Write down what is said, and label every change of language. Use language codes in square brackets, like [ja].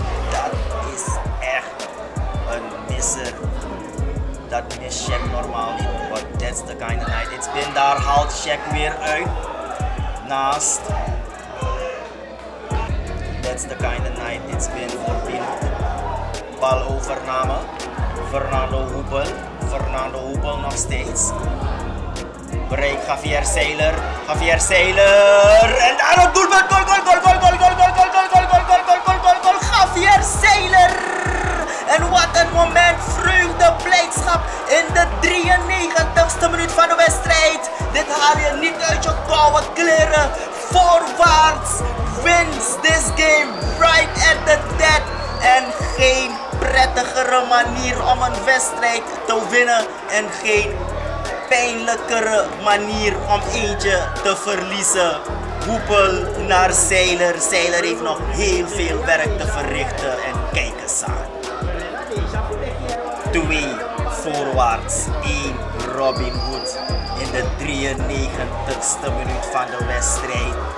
[nl] Dat is echt een misser. Dat mis Shaq normaal niet. [en] But that's the kind of night it's been. [nl] Daar haalt Shaq weer uit. Naast. [en] That's the kind of night it's been for Binhood. [nl] Balovername. Fernando Hoepel. Fernando Hoepel nog steeds. Breek Javier Seyler. Javier Seyler. En daar een doelpunt. Goal, goal, goal, goal, goal, goal, goal, goal, goal, goal, goal, goal, goal, goal, goal, goal, goal, Javier Seyler. En wat een moment vreugde, blijdschap in de 93ste minuut van de wedstrijd. Dit haal je niet uit je koude kleren. [en] Voorwaarts wins this game right at the dead. [nl] En geen prettigere manier om een wedstrijd te winnen. En geen pijnlijkere manier om eentje te verliezen. Hoepel naar Seyler. Seyler heeft nog heel veel werk te verrichten. En kijk eens aan. 2 Voorwaarts, 1 Robinhood in de 93ste minuut van de wedstrijd.